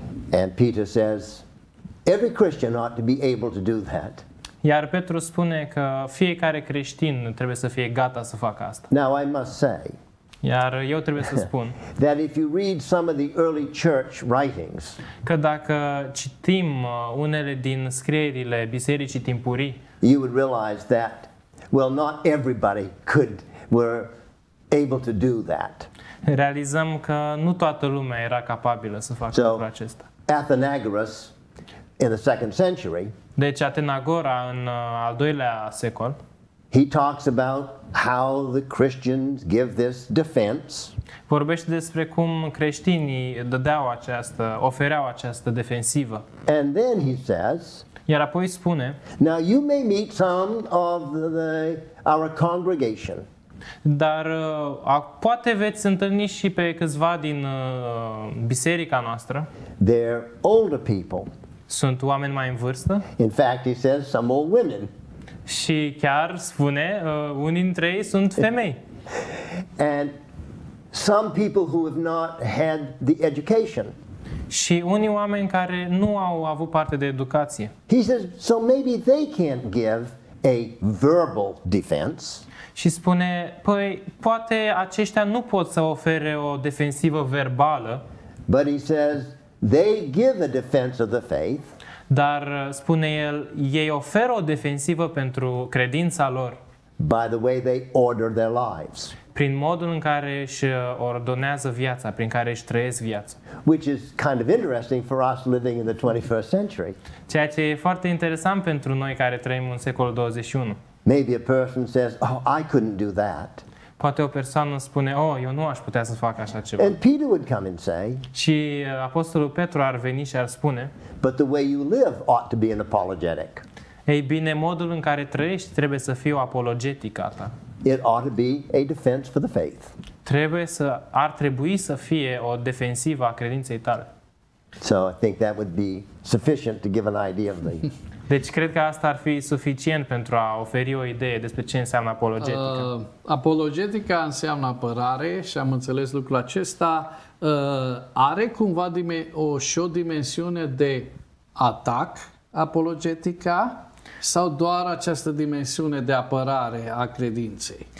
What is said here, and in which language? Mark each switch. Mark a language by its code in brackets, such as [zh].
[en] And Peter says every Christian ought to be able to do that. [ro] Iar Petru spune că fiecare creștin trebuie să fie gata să facă asta. [en] Now I must say. [ro] Iar eu trebuie să spun [en] that if you read some of the early church writings, [ro] că dacă citim unele din scrierile bisericii timpurii, [en] you would realize that well, not everybody could were able to do that. [ro] Realizăm că nu toată lumea era capabilă să facă lucrul acesta. [en] Athenagoras in the second century. [ro] Deci Atenagora în al doilea secol. [en] He talks about how the Christians give this defense. [ro] Vorbește despre cum creștinii dădeau această, ofereau această defensivă. [en] And then he says, [ro] iar apoi spune, [en] now you may meet some of the our congregation. [ro] Dar poate veți întâlni și pe câțiva din biserica noastră. [en] They're older people. [ro] Sunt oameni mai în vârstă. [en] In fact, he says some old women. [ro] Și chiar spune unii dintre ei sunt femei. [en] And some people who have not had the education. [ro] Și unii oameni care nu au avut parte de educație. [en] He says so maybe they can't give a verbal defense. [ro] Și spune, păi, poate aceștia nu pot să ofere o defensivă verbală. [en] But he says, they give a defense of the faith. [ro] Dar spune el, ei oferă o defensivă pentru credința lor. [en] By the way they order their lives. [ro] Prin modul în care își ordonează viața, prin care își trăiesc viața. [en] Which is kind of interesting for us living in the 21st century. [ro] Ceea ce e foarte interesant pentru noi care trăim în secolul 21. [en] Maybe a person says, "Oh, I couldn't do that." [ro] Poate o persoană spune, "Oh, eu nu aș putea să fac așa ceva." [en] And Peter would come and say, [ro] și apostolul Petru ar veni și ar spune, [en] "But the way you live ought to be an apologetic." [ro] Ei bine, modul în care trăiești trebuie să fie o apologetică ta. [en] It ought to be a defense for the faith. [ro] Ar trebui să fie o defensivă a credinței tale. [en] So I think that would be sufficient to give an idea of the [ro] deci cred că asta ar fi suficient pentru a oferi o idee despre ce înseamnă apologetica. Apologetica înseamnă apărare și am înțeles lucrul acesta. Are cumva și o dimensiune de atac apologetica sau doar această dimensiune de apărare a credinței?